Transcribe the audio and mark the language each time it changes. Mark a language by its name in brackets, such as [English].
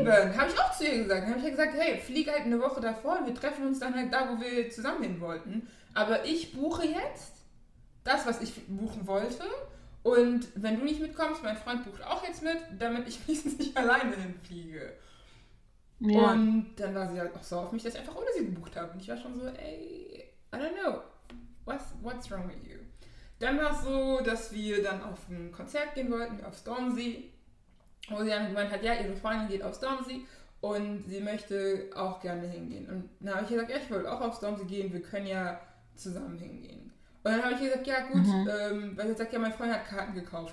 [German] Eben, habe ich auch zu ihr gesagt. Dann habe ich ja gesagt, hey, flieg halt eine Woche davor und wir treffen uns dann halt da, wo wir zusammen hin wollten. Aber ich buche jetzt das, was ich buchen wollte. Und wenn du nicht mitkommst, mein Freund bucht auch jetzt mit, damit ich wenigstens nicht alleine hinfliege. Ja. Und dann war sie halt auch so auf mich, dass ich einfach ohne sie gebucht habe. Und ich war schon so, ey, [English] I don't know, what's wrong with you? [German] Dann war es so, dass wir dann auf ein Konzert gehen wollten, auf Stormzy. Wo sie dann gemeint hat, ja, ihre Freundin geht auf Stormzy und sie möchte auch gerne hingehen. Und dann habe ich gesagt, ja, ich will auch auf Stormzy gehen, wir können ja zusammen hingehen. Und dann habe ich gesagt, ja gut, weil sie sagt, ja, mein Freund hat Karten gekauft.